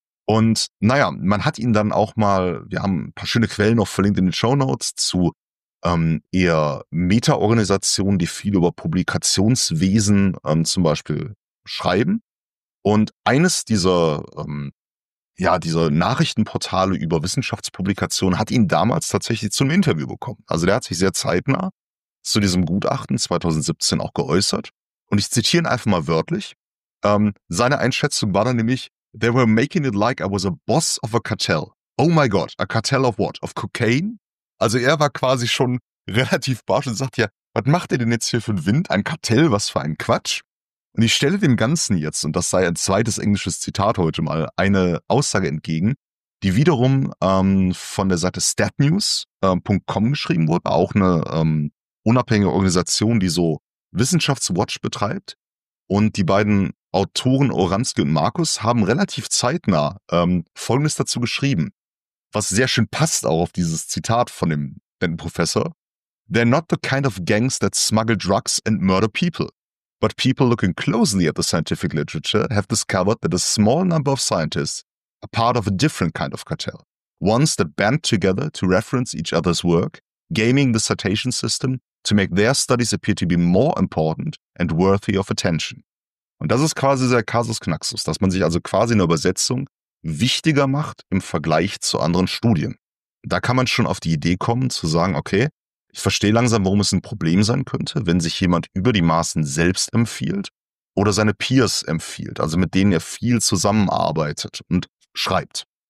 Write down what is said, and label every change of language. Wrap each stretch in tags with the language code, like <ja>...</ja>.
<de>Und naja, man hat ihn dann auch mal, wir haben ein paar schöne Quellen noch verlinkt in den Shownotes zu eher Meta-Organisationen, die viel über Publikationswesen zum Beispiel schreiben. Und eines dieser dieser Nachrichtenportale über Wissenschaftspublikationen hat ihn damals tatsächlich zum Interview bekommen. Also der hat sich sehr zeitnah zu diesem Gutachten 2017 auch geäußert. Und ich zitiere ihn einfach mal wörtlich. Seine Einschätzung war dann nämlich,</de> <en>they were making it like I was a boss of a cartel. Oh my God, a cartel of what? Of cocaine?</en> <de>Also er war quasi schon relativ barsch und sagt ja, was macht ihr denn jetzt hier für einen Wind? Ein Kartell, was für ein Quatsch? Und ich stelle dem Ganzen jetzt, und das sei ein zweites englisches Zitat heute mal, eine Aussage entgegen, die wiederum von der Seite statnews.com geschrieben wurde, auch eine unabhängige Organisation, die so Wissenschaftswatch betreibt. Und die beiden Autoren Oranski und Markus haben relativ zeitnah Folgendes dazu geschrieben, was sehr schön passt auch auf dieses Zitat von dem netten Professor.</de> <en>They're not the kind of gangs that smuggle drugs and murder people. But people looking closely at the scientific literature have discovered that a small number of scientists are part of a different kind of cartel. Ones that band together to reference each other's work, gaming the citation system, to make their studies appear to be more important and worthy of attention.</en> <de>Und das ist quasi der Kasus Knaxus, dass man sich also quasi in der Übersetzung wichtiger macht im Vergleich zu anderen Studien. Da kann man schon auf die Idee kommen zu sagen, okay, ich verstehe langsam, warum es ein Problem sein könnte, wenn sich jemand über die Maßen selbst empfiehlt oder seine Peers empfiehlt, also mit denen er viel zusammenarbeitet und schreibt.</de>